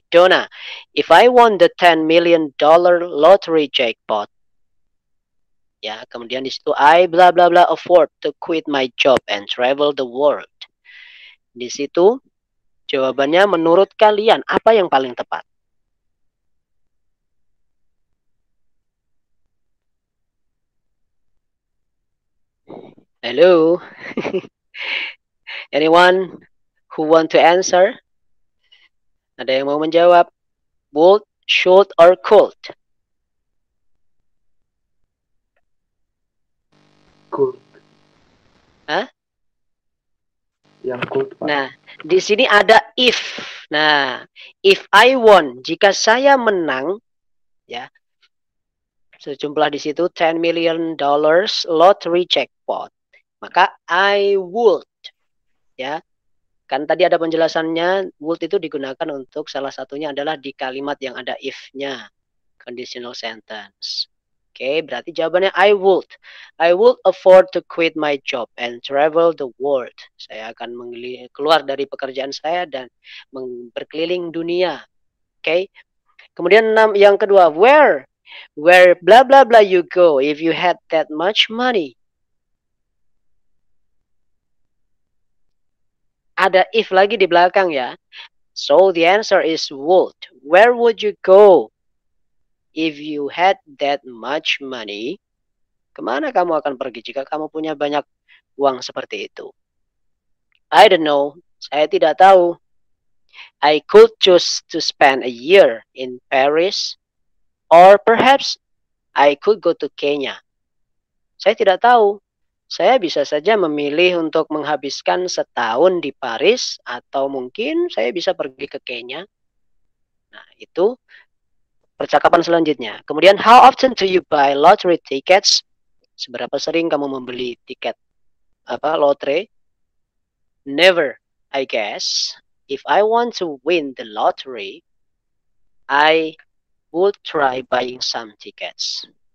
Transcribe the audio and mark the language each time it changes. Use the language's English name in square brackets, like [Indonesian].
[English] Donna, if I won the $10 million lottery jackpot, [Indonesian] ya, kemudian di situ [English] I bla bla bla afford to quit my job and travel the world. [Indonesian] Di situ jawabannya menurut kalian apa yang paling tepat? [English] Hello. Anyone who want to answer? [Indonesian] Ada yang mau menjawab? [English] bold, short, or cold? Cold. Hah? [Indonesian] Yang cold, Pak. Nah, di sini ada if. Nah, [English] if I won, [Indonesian] jika saya menang, ya, sejumlah di situ [English] $10 million lottery jackpot. Maka I would, ya. [Indonesian] Kan tadi ada penjelasannya, would itu digunakan untuk salah satunya adalah di kalimat yang ada if-nya. [English] Conditional sentence. [Indonesian] Oke, berarti jawabannya [English] I would. I would afford to quit my job and travel the world. [Indonesian] Saya akan keluar dari pekerjaan saya dan berkeliling dunia. [English] Oke. [Indonesian] Kemudian yang kedua, [English] where blah blah blah you go if you had that much money? [Indonesian] Ada if lagi di belakang ya. [English] So the answer is would. Where would you go if you had that much money? [Indonesian] Kemana kamu akan pergi jika kamu punya banyak uang seperti itu? [English] I don't know. [Indonesian] Saya tidak tahu. [English] I could choose to spend a year in Paris. Or perhaps I could go to Kenya. [Indonesian] Saya tidak tahu. Saya bisa saja memilih untuk menghabiskan setahun di Paris atau mungkin saya bisa pergi ke Kenya. Nah, itu percakapan selanjutnya. Kemudian, [English] how often do you buy lottery tickets? [Indonesian] Seberapa sering kamu membeli tiket lotre? [English] Never, I guess. If I want to win the lottery, I would try buying some tickets.